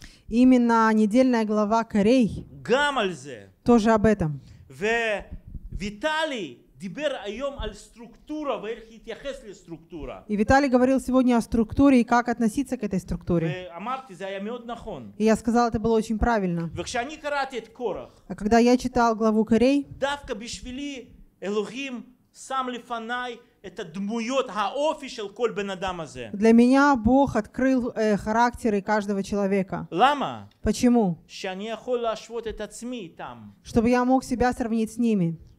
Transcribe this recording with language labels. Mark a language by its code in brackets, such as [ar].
[ru] Именно недельная глава Корей тоже об этом. [he] И Виталий דיבר היום על структура, ואיך יתייחס לסטרוקטורה. [ru] И Виталий говорил сегодня о структуре и как относиться к этой структуре. [he] ואמרתי, זה היה מאוד נכון. [ru] И я сказал, это было очень правильно. [he] וכשאני קראתי את קורח, [ru] а когда я читал главу Корей, [he] דווקא בשבילי אלוהים שם לפניי את הדמויות, האופי של כל בן אדם הזה. [ru] Для меня Бог открыл характеры каждого человека. [he] למה? [ru] Почему? [he] שאני יכול להשוות את עצמי איתם. [ru] Чтобы я мог себя сравнить с ними.